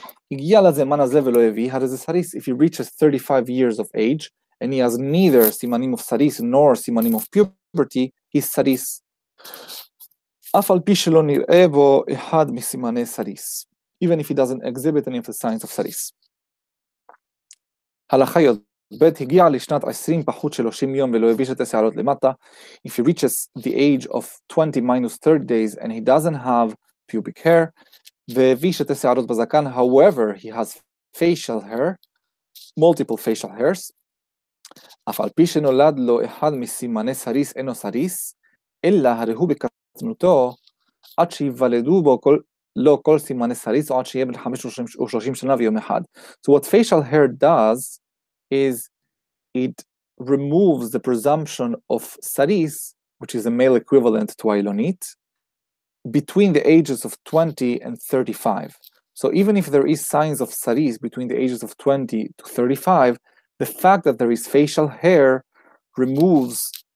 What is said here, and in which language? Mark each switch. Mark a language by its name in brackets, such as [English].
[Hebrew] הגיע לזמן הזה ולא הביא, הרי זה סריס, [English] if he reaches 35 years of age, and he has neither simanim of saris nor simanim of puberty, he's saris. [Hebrew] אף על פי שלא נראה בו אחד מסימני [English] saris, even if he doesn't exhibit any of the signs of saris. [Hebrew] הלכה י"ב, הגיע לשנת 20 פחות 30 יום ולא הביא שתי שערות למטה, [English] if he reaches the age of 20 minus 30 days and he doesn't have pubic hair, [Hebrew] והביא שתי שערות בזקן, [English] however, he has facial hair, multiple facial hairs, [Hebrew] אף על פי שנולד לו אחד מסימני סריס אינו סריס, אלא הרי הוא בקטנותו, עד שיוולדו בו כל סימני סריס, או עד שיהיה בן 5 ו-30 שנה ויום אחד. [English] So what facial hair does is it removes the presumption of סריס, which is a male equivalent to אילונית, between the ages of 20 and 35. So even if there is signs of סריס between the ages of 20 to 35, the fact that there is facial hair removes